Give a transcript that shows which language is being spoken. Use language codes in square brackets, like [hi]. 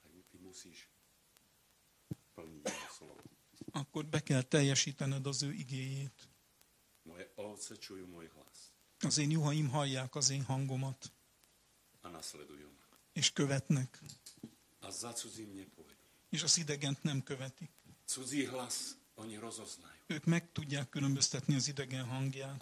[sk] ty musíš plniť a slovo. [hu] Akkor be kell teljesítened az ő igéjét. [sk] Moje ovce čujú môj hlas. [hu] Az én juhaim hallják az én hangomat. [sk] A nasledujom. [hu] És követnek. [sk] A za cudzím nepovedú. [hu] És az idegent nem követik. [sk] Cudzí hlas oni rozoznajú. [hu] Ők meg tudják különböztetni az idegen hangját.